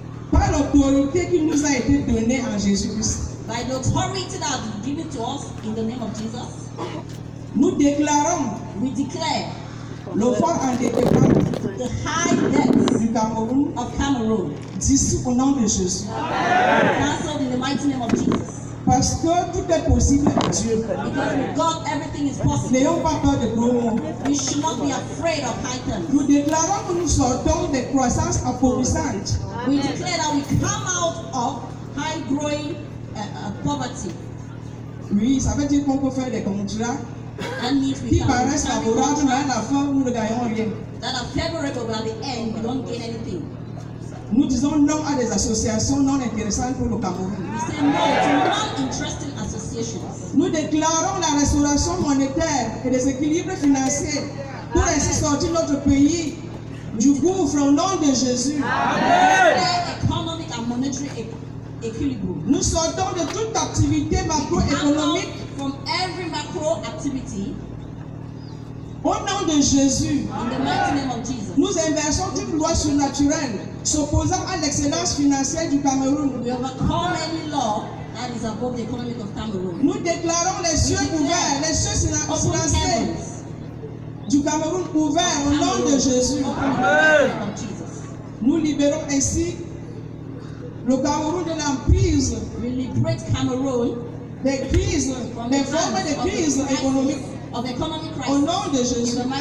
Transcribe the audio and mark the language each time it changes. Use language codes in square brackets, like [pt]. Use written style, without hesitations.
[fr] Par l'autorité qui nous a été donnée en Jésus-Christ. [en] By the authority that has been given to us in the name of Jesus. [fr] Nous déclarons. [en] We declare. [fr] Le fort endettement. [en] The high debts [fr] du Cameroun, [en] of Cameroon, [fr] dissous au nom de Jésus. [en] Cancelled in the mighty name of Jesus. [fr] Parce que tout est possible à Dieu. [en] Because with God everything is possible. [fr] N'ayons pas peur de promos. [en] We should not be afraid of items. [fr] Nous déclarons que nous sortons des croissances appauvrissantes. [en] We declare that we come out of high growing poverty. [fr] Oui, ça veut dire qu'on peut faire des contrats. [en] And if we [fr] qui paraissent favorables, mais à la fin, nous ne gagnons rien. [en] That are favorable, but at the end, we don't gain anything. [fr] Nous disons non à des associations non intéressantes pour le Cameroun. [en] We say no to non-interesting associations. [fr] Nous déclarons la restauration monétaire et des équilibres financiers pour ainsi sortir notre pays du gouffre au nom de Jésus. Amen. Nous sortons de toute activité macroéconomique. [en] From every macro activity, [fr] au nom de Jésus, [en] in the mighty name of Jesus, [fr] nous inversons toute loi surnaturelle s'opposant à l'excellence financière du Cameroun. [en] We overcome any law that is above the economy of Cameroon. [fr] Nous déclarons les cieux ouverts, les cieux financiers du Cameroun ouverts au nom de Jésus. Amen. Nous libérons ainsi le Cameroun de l'emprise. [en] We liberate Cameroon. [fr] Des crises, des formes de crises économiques, au nom de Jésus.